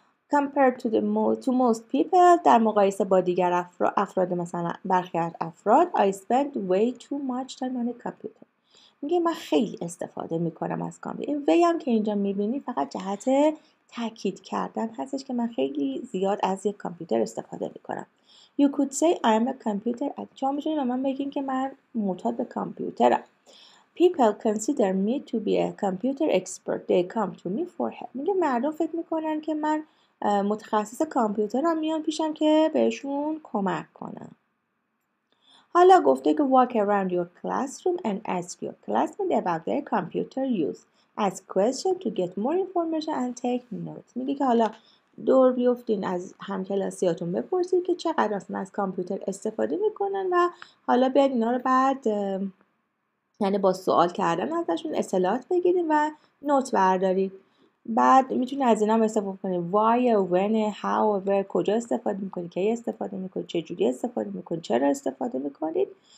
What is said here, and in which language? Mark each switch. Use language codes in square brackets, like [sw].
[en] Compared to most people [fa] در مقایسه با دیگر افراد مثلا برخی افراد [en] I spend way too much time on a computer. [fa] میگه من خیلی استفاده میکنم از کامپیوتر. این way هم که اینجا میبینی فقط جهت تأکید کردن هستش که من خیلی زیاد از یک کامپیوتر استفاده میکنم. [en] You could say I am a computer addict. [fa] چون میتونی به من بگین که من معتاد به کامپیوترم. [en] People consider me to be a computer expert. They come to me for help. [fa] میگه مردم فکر میکنن که من متخصص کامپیوترم، میان پیشم که بهشون کمک کنم. حالا گفته که [en] walk around your classroom and ask your classmates about their computer use. Ask questions to get more information and take notes. [fa] میگه که حالا دور بیفتین از همکلاسیاتون بپرسید که چقدر اصلا از کامپیوتر استفاده میکنن و حالا بیاد اینا رو بعد یعنی با سوال کردن ازشون اصطلاحات بگیرید و نوت بردارید. بعد میتونی از اینا استفاده کنید. [en] Why, when, how, where, [fa] کجا استفاده میکنید، کی استفاده میکنید، چجوری استفاده میکنید، چرا استفاده میکنید.